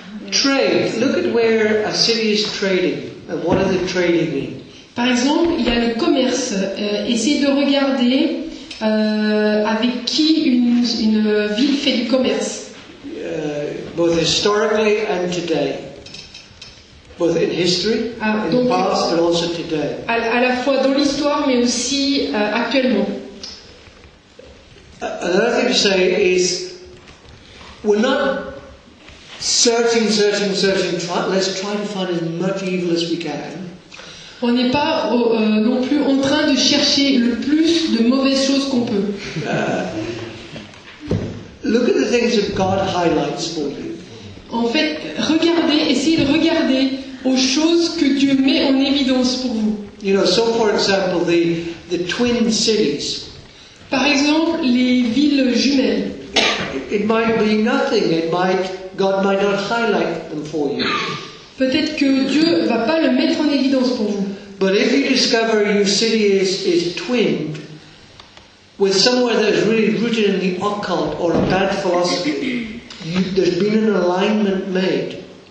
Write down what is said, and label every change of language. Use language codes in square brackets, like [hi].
[en] Trade. Look at where a city is trading. And what does the trading mean? [fr] Par exemple, il y a le commerce. Essayez de regarder avec qui une ville fait du commerce. [en] Both historically and today. Both in history, in the past, but also today. [fr] À la fois dans l'histoire, mais aussi actuellement. [en] Another thing to say is, we're not searching, let's try to find as much evil as we can. [fr] On n'est pas non plus en train de chercher le plus de mauvaises choses qu'on peut. [en] Look at the things that God highlights for you. [fr] En fait, regardez, essayez de regarder aux choses que Dieu met en évidence pour vous. [en] You know, so for example, the twin cities. [fr] Par exemple, les villes jumelles. [en] It might be nothing. God might not highlight them for you. [fr] Peut-être que Dieu ne va pas le mettre en évidence pour vous. [en] But if you discover your city is twinned with somewhere that is really rooted in the occult or a bad philosophy, there's been an alignment made.